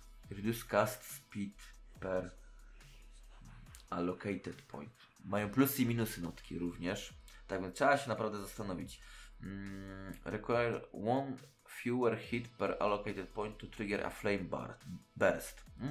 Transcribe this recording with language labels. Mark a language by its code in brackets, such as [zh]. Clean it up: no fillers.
[en] Reduce cast speed per allocated point. [pl] Mają plusy i minusy notki również. Tak więc trzeba się naprawdę zastanowić. [en] Require one fewer hit per allocated point to trigger a flame burst.